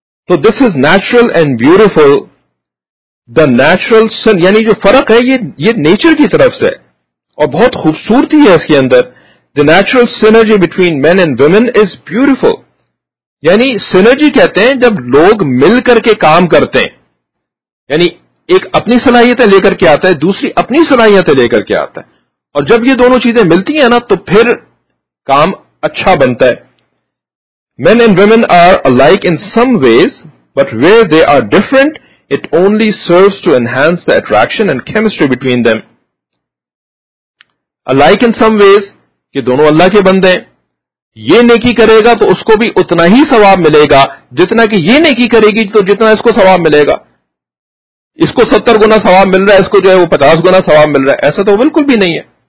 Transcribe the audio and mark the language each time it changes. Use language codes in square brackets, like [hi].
[ur] تو [en] this is natural and beautiful, the natural sun, [ur] یعنی جو فرق ہے یہ نیچر کی طرف سے اور بہت خوبصورتی ہے اس کے اندر. [en] The natural synergy between men and women is beautiful. [ur] یعنی سینرجی کہتے ہیں جب لوگ مل کر کے کام کرتے ہیں، یعنی ایک اپنی صلاحیتیں لے کر کے آتا ہے، دوسری اپنی صلاحیتیں لے کر کے آتا ہے، اور جب یہ دونوں چیزیں ملتی ہیں نا تو پھر کام اچھا بنتا ہے. [en] Men and women are alike in some ways, but where they are different, it only serves to enhance the attraction and chemistry between them. Alike in some ways, [ur] کہ دونوں اللہ کے بندے ہیں، یہ نیکی کرے گا تو اس کو بھی اتنا ہی ثواب ملے گا جتنا کہ یہ نیکی کرے گی تو جتنا اس کو ثواب ملے گا. اس کو 70 گنا ثواب مل رہا ہے، اس کو جو ہے وہ 50 گنا ثواب مل رہا ہے، ایسا تو بالکل بھی نہیں ہے.